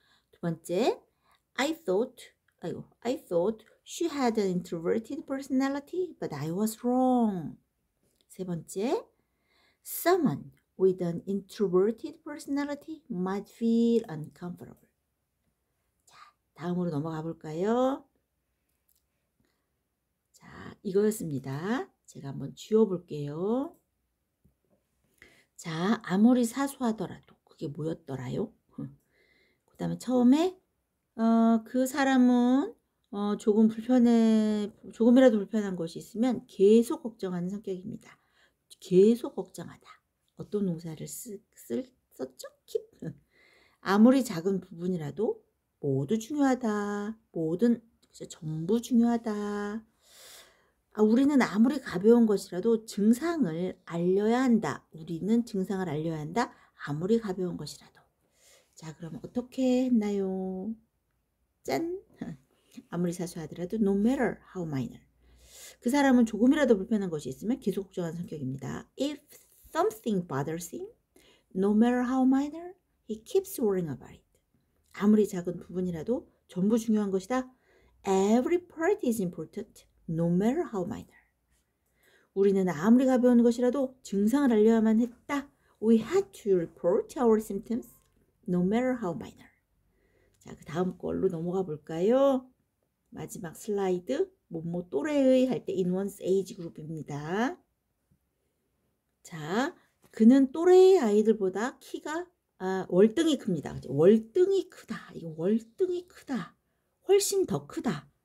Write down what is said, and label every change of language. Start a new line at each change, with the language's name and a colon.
Korean: 두 번째,
English: I thought she had an introverted personality, but I was wrong.
Korean: 세 번째,
English: someone with an introverted personality might feel uncomfortable.
Korean: 다음으로 넘어가 볼까요? 자, 이거였습니다. 제가 한번 쥐어 볼게요. 자, 아무리 사소하더라도 그게 뭐였더라요? 그다음에 처음에 그 사람은 조금 불편해 조금이라도 불편한 것이 있으면 계속 걱정하는 성격입니다. 계속 걱정하다. 어떤 동사를 썼죠? Keep. 아무리 작은 부분이라도 모두 중요하다. 모든 진짜 전부 중요하다. 우리는 아무리 가벼운 것이라도 증상을 알려야 한다. 우리는 증상을 알려야 한다. 아무리 가벼운 것이라도. 자, 그럼 어떻게 했나요? 짠! 아무리 사소하더라도
English: no matter how minor.
Korean: 그 사람은 조금이라도 불편한 것이 있으면 계속 걱정하는 성격입니다.
English: If something bothers him, no matter how minor, he keeps worrying about it.
Korean: 아무리 작은 부분이라도 전부 중요한 것이다.
English: Every part is important, no matter how minor.
Korean: 우리는 아무리 가벼운 것이라도 증상을 알려야만 했다.
English: We had to report our symptoms, no matter how minor.
Korean: 자, 그 다음 걸로 넘어가 볼까요? 마지막 슬라이드, 뭐뭐 또래의 할때
English: in one's age group
Korean: 입니다. 자, 그는 또래의 아이들보다 키가 월등히 큽니다. 월등히 크다. 이거 월등히 크다. 훨씬 더 크다.